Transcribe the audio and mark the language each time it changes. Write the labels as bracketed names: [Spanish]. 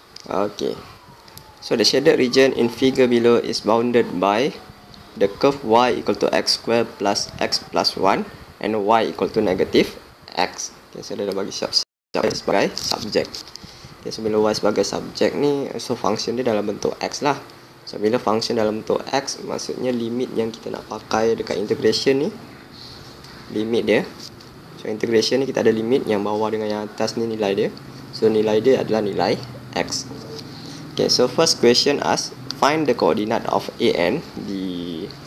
[English] Okay, so the shaded region in figure below is bounded by the curve y equal to x square plus x plus 1 and y equal to negative x. [Malay] Okay, so dia dah bagi siap-siap sebagai subjek. Okay, so bila y sebagai subjek ni, so function dia dalam bentuk x lah. So bila function dalam bentuk x, maksudnya limit yang kita nak pakai dekat integration ni, limit dia, so integration ni kita ada limit yang bawah dengan yang atas ni nilai dia. So nilai dia adalah nilai x. [English] Okay, so first question ask, find the coordinate of a and b.